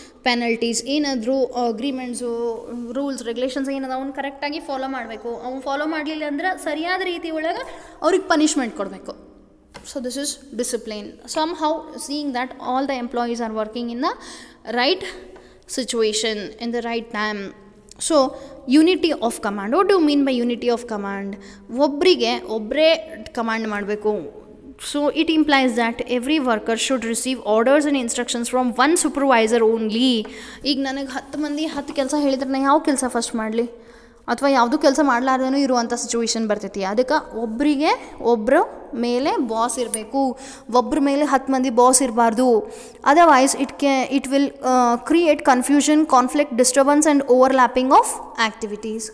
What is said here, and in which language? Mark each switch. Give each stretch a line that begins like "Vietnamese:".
Kannada: ಪೆನಲ್ಟೀಸ್ ಏನಾದರೂ ಅಗ್ರಿಮೆಂಟ್ಸು rules regulations ಏನದ ಅವ್ನು ಕರೆಕ್ಟಾಗಿ ಫಾಲೋ ಮಾಡಬೇಕು, ಅವ್ನು ಫಾಲೋ ಮಾಡಲಿಲ್ಲ ಅಂದ್ರೆ ಸರಿಯಾದ ರೀತಿ ಒಳಗೆ ಅವ್ರಿಗೆ ಪನಿಷ್ಮೆಂಟ್ ಕೊಡಬೇಕು.
English: So this is discipline. Somehow seeing that all the employees are working in the right situation in the right time. So unity of command, what you mean by unity of command?
Kannada: ಒಬ್ಬರಿಗೆ ಒಬ್ಬರೇ command ಮಾಡಬೇಕು.
English: So it implies that every worker should receive orders and instructions from one supervisor only.
Kannada: ಈಗ ನನಗೆ ಹತ್ತು ಮಂದಿ ಹತ್ತು ಕೆಲಸ ಹೇಳಿದ್ರೆ ನಾನು ಯಾವ ಕೆಲಸ ಫಸ್ಟ್ ಮಾಡಲಿ? ಅಥವಾ ಯಾವುದು ಕೆಲಸ ಮಾಡಲಾರ್ದೇನು ಇರುವಂಥ ಸಿಚುವೇಶನ್ ಬರ್ತೈತಿ. ಅದಕ್ಕೆ ಒಬ್ಬರಿಗೆ ಒಬ್ಬರು ಮೇಲೆ ಬಾಸ್ ಇರಬೇಕು, ಒಬ್ಬರ ಮೇಲೆ ಹತ್ತು ಮಂದಿ ಬಾಸ್ ಇರಬಾರ್ದು.
English: Otherwise it will create confusion, conflict, disturbance and overlapping of activities.